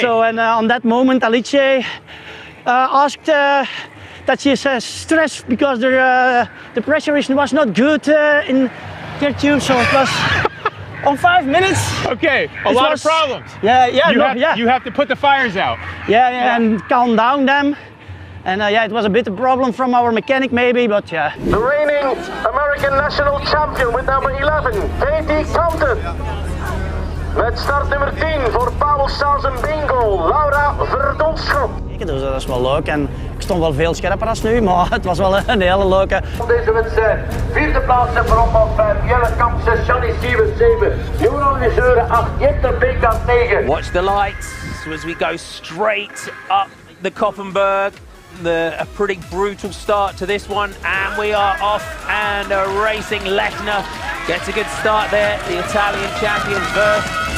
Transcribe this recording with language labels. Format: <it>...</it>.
<en>So and on that moment, Alice asked that she is stressed because the pressure was not good in her tube, so it was on 5 minutes. Okay, a lot of problems. Yeah. You have to put the fires out. Yeah. And calm down them. And it was a bit of a problem from our mechanic maybe, but yeah. The reigning American national champion with number 11, Katie Compton.</en> <nl>Met start nummer 10 voor Paul Sels en Bingo, Laura Verdonschop. Dus dat is wel leuk en ik stond wel veel scherper als nu, maar het was wel een hele leuke. Op deze wedstrijd, vierde plaats en voorop van 5, Jelle Kamp 6, Johnny 7, 7, Jeroen de Zeuren 8, Jette Beekamp 9.</nl> <en>Watch the lights as we go straight up the Koppenberg. A pretty brutal start to this one and we are off and racing. Lechner gets a good start there, the Italian champion first.</en>